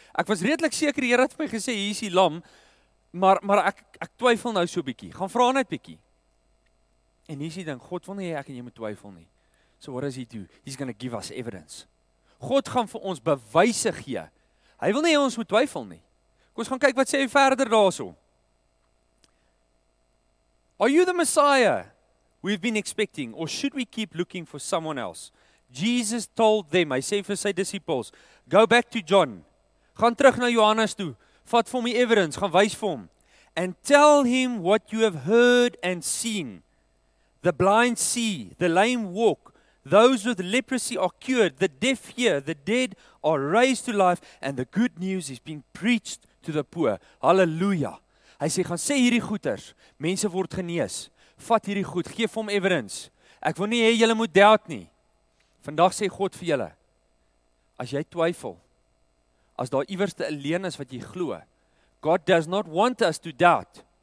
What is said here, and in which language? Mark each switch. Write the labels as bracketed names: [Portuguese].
[Afrikaans] Ek was redelik seker, die Here het my gesê, hier is die lam, maar ek twyfel nou so bietjie. Gaan vra net bietjie. En hier is die ding, God wil nie, ek en jy moet twyfel nie. [English] So what does he do? He's going to give us evidence. [Afrikaans] God gaan vir ons bewyse gee. Hy wil nie ons moet twyfel nie. Kom ons gaan kyk wat sê hy verder daarso. [English] Are you the Messiah we've been expecting, or should we keep looking for someone else? Jesus told them, [Afrikaans] hy sê vir sy disciples, [English] go back to John, [Afrikaans] gaan terug na Johannes toe, vat vir hom die evidence, gaan wys vir hom, [English] and tell him what you have heard and seen. The blind see, the lame walk, those with leprosy are cured, the deaf hear, the dead are raised to life, and the good news is being preached to the poor. Hallelujah. [Afrikaans] Hy sê, gaan sê hierdie goeters, mense word genees, vat hierdie goed, geef hom evidence, ek wil nie hê julle moet doubt nie, vandag sê God vir julle, as jy twyfel, as daar iewers te alleen is wat jy glo, [English] God does not want us to doubt,